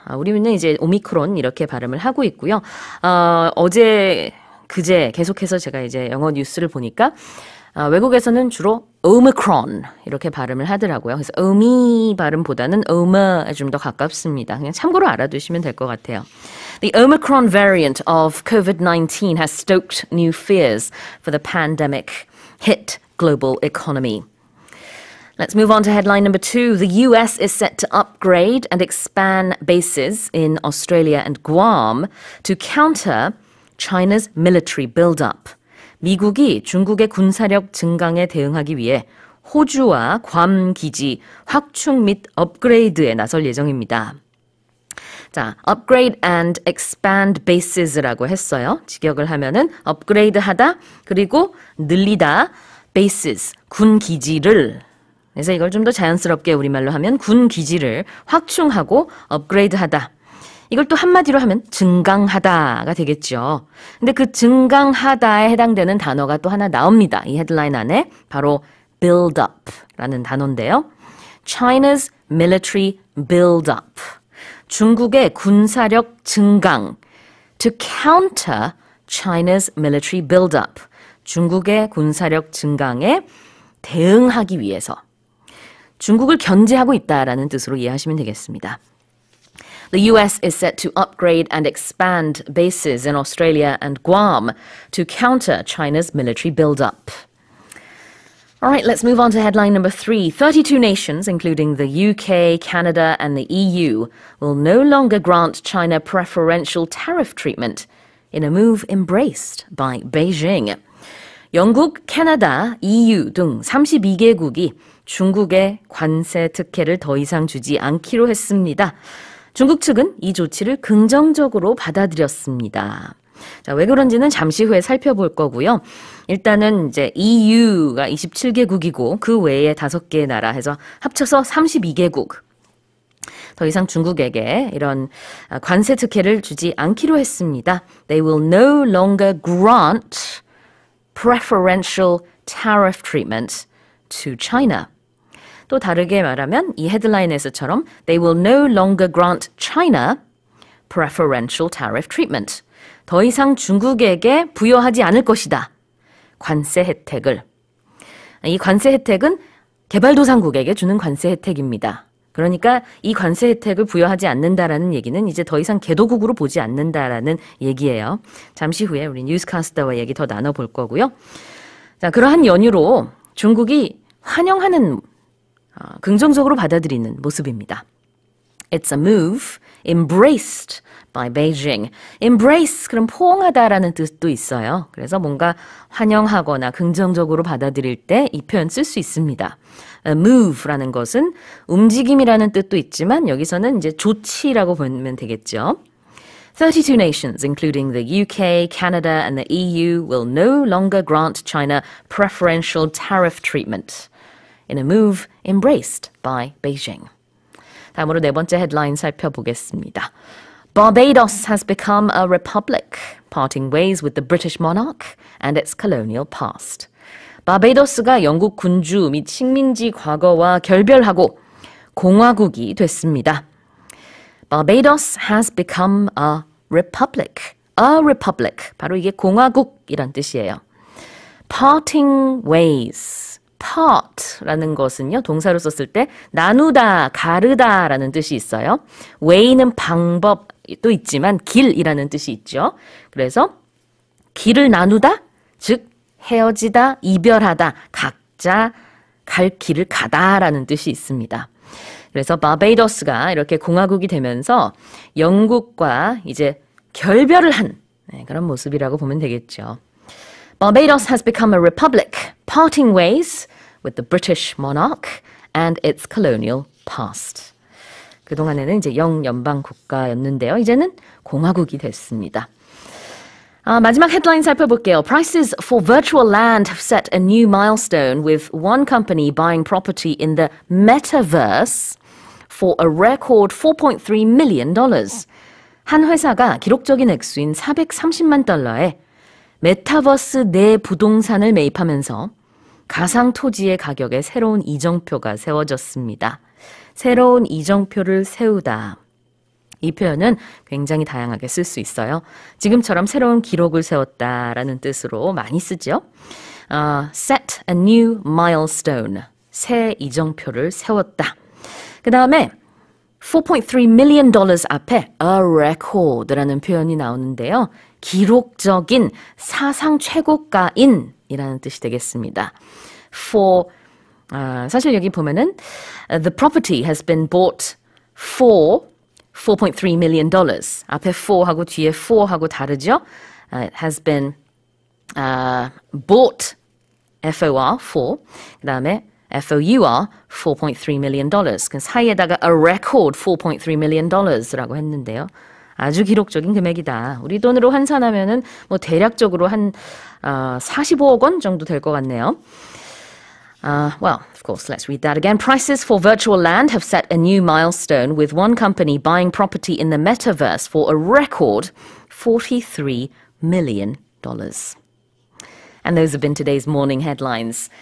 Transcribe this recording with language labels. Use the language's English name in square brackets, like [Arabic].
[Korean] 우리는 이제 오미크론 이렇게 발음을 하고 있고요. 어제, 그제 계속해서 제가 이제 영어 뉴스를 보니까 외국에서는 주로 Omicron 이렇게 발음을 하더라고요. 그래서 Omi 발음보다는 Oma에 좀 더 가깝습니다. 그냥 참고로 알아두시면 될 것 같아요. [English] The Omicron variant of COVID-19 has stoked new fears for the pandemic hit global economy. Let's move on to headline number two. The US is set to upgrade and expand bases in Australia and Guam to counter China's military buildup. [Korean] 미국이 중국의 군사력 증강에 대응하기 위해 호주와 괌 기지 확충 및 업그레이드에 나설 예정입니다. 자, [English] upgrade and expand bases [Korean] 라고 했어요. 직역을 하면은 업그레이드하다 그리고 늘리다 bases 군 기지를 그래서 이걸 좀 더 자연스럽게 우리말로 하면 군 기지를 확충하고 업그레이드하다. 이걸 또 한마디로 하면 증강하다가 되겠죠. 근데 그 증강하다에 해당되는 단어가 또 하나 나옵니다. 이 헤드라인 안에 바로 buildup라는 단어인데요. [English] China's military buildup. [Korean] 중국의 군사력 증강. [English] To counter China's military buildup. [Korean] 중국의 군사력 증강에 대응하기 위해서. 중국을 견제하고 있다라는 뜻으로 이해하시면 되겠습니다. [English] The US is set to upgrade and expand bases in Australia and Guam to counter China's military buildup. All right, let's move on to headline number three. 32 nations, including the UK, Canada, and the EU, will no longer grant China preferential tariff treatment in a move embraced by Beijing. [Korean] 영국, 캐나다, EU 등 32개국이 중국에 관세 특혜를 더 이상 주지 않기로 했습니다. 중국 측은 이 조치를 긍정적으로 받아들였습니다. 자, 왜 그런지는 잠시 후에 살펴볼 거고요. 일단은 이제 EU가 27개국이고 그 외에 5개 나라 해서 합쳐서 32개국. 더 이상 중국에게 이런 관세 특혜를 주지 않기로 했습니다. [English] They will no longer grant preferential tariff treatment to China. [Korean] 또 다르게 말하면 이 헤드라인에서처럼 [English] They will no longer grant China preferential tariff treatment. [Korean] 더 이상 중국에게 부여하지 않을 것이다. 관세 혜택을. 이 관세 혜택은 개발도상국에게 주는 관세 혜택입니다. 그러니까 이 관세 혜택을 부여하지 않는다라는 얘기는 이제 더 이상 개도국으로 보지 않는다라는 얘기예요. 잠시 후에 우리 뉴스카스터와 얘기 더 나눠볼 거고요. 자, 그러한 연유로 중국이 환영하는 긍정적으로 받아들이는 모습입니다. [English] It's a move embraced by Beijing. [Korean] Embrace, 그럼 포옹하다라는 뜻도 있어요. 그래서 뭔가 환영하거나 긍정적으로 받아들일 때 이 표현 쓸 수 있습니다. move라는 것은 움직임이라는 뜻도 있지만 여기서는 이제 조치라고 보면 되겠죠. [English] 32 nations, including the UK, Canada, and the EU, will no longer grant China preferential tariff treatment in a move embraced by Beijing. [Korean] 다음으로 네 번째 헤드라인 살펴보겠습니다. [English] Barbados has become a republic, parting ways with the British monarch and its colonial past. [Korean] 바베이도스가 영국 군주 및 식민지 과거와 결별하고 공화국이 됐습니다. [English] Barbados has become a republic. A republic. [Korean] 바로 이게 공화국이란 뜻이에요. [English] Parting ways. Part라는 것은요. [Korean] 동사로 썼을 때 나누다, 가르다라는 뜻이 있어요. Way는 방법도 있지만 길이라는 뜻이 있죠. 그래서 길을 나누다, 즉 헤어지다, 이별하다, 각자 갈 길을 가다라는 뜻이 있습니다. 그래서 바베이더스가 이렇게 공화국이 되면서 영국과 이제 결별을 한 그런 모습이라고 보면 되겠죠. [English] Barbados has become a republic, parting ways with the British monarch and its colonial past. [Korean] 그동안에는 이제 영연방 국가였는데요. 이제는 공화국이 됐습니다. 마지막 헤드라인 살펴볼게요. [English] Prices for virtual land have set a new milestone with one company buying property in the metaverse for a record $4.3 million. [Korean] 한 회사가 기록적인 액수인 430만 달러에 메타버스 내 부동산을 매입하면서 가상 토지의 가격에 새로운 이정표가 세워졌습니다. 새로운 이정표를 세우다. 이 표현은 굉장히 다양하게 쓸 수 있어요. 지금처럼 새로운 기록을 세웠다라는 뜻으로 많이 쓰죠. [English] Set a new milestone. [Korean] 새 이정표를 세웠다. 그 다음에 [English] 4.3 million dollars [Korean] 앞에 a record라는 표현이 나오는데요. 기록적인 사상 최고가인 이라는 뜻이 되겠습니다. [English] For, [Korean] 사실 여기 보면은 [English] the property has been bought for $4.3 million. [Korean] 앞에 4하고 뒤에 4하고 다르죠? [English] Has been bought, F-O-R, 4. [Korean] 그 다음에 F-O-U-R, $4.3 million. 그 사이에다가 [English] a record $4.3 million [Korean] 라고 했는데요. 아주 기록적인 금액이다. 우리 돈으로 환산하면은 뭐 대략적으로 한 45억 원 정도 될 것 같네요. [English] Well, of course, let's read that again. Prices for virtual land have set a new milestone with one company buying property in the metaverse for a record $43 million. And those have been today's morning headlines.